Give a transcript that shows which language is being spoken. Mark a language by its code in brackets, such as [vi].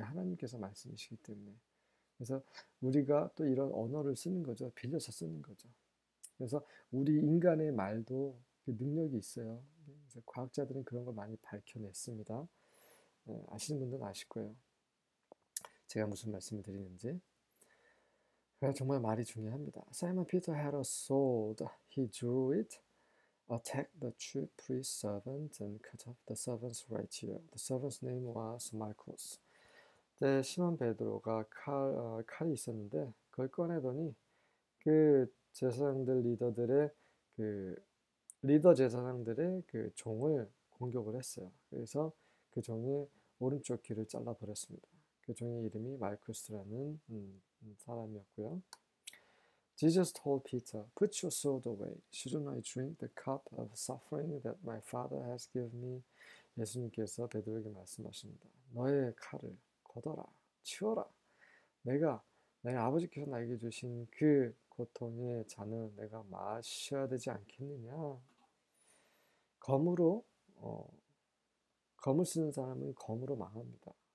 [ko] 하나님께서 말씀이시기 때문에. 그래서 우리가 또 이런 언어를 쓰는 거죠. 빌려서 쓰는 거죠. 그래서 우리 인간의 말도 그 능력이 있어요. 그래서 과학자들은 그런 걸 많이 밝혀냈습니다. 아시는 분들은 아실 거예요. 제가 무슨 말씀을 드리는지. 정말 말이 중요합니다. [en] Simon Peter had a sword. He drew it, attacked the chief priest's servant, and cut off the servant's right ear. The servant's name was Marcos. [ko] 네, 시몬 베드로가 칼이 있었는데 그걸 꺼내더니 그 제사장들 리더들의 그 리더 제사장들의 그 종을 공격을 했어요. 그래서 그 종의 오른쪽 귀를 잘라버렸습니다. 그 종의 이름이 말쿠스라는 사람이었고요. [en] Jesus told Peter, "Put your sword away. Shouldn't I drink the cup of suffering that my father has given me?" [ko] 예수님께서 베드로에게 말씀하십니다. 너의 칼을 거둬라, 치워라. 내가 내 아버지께서 나에게 주신 그 고통의 잔을 내가 마셔야 되지 않겠느냐? 검을 쓰는 사람은 검으로 망합니다.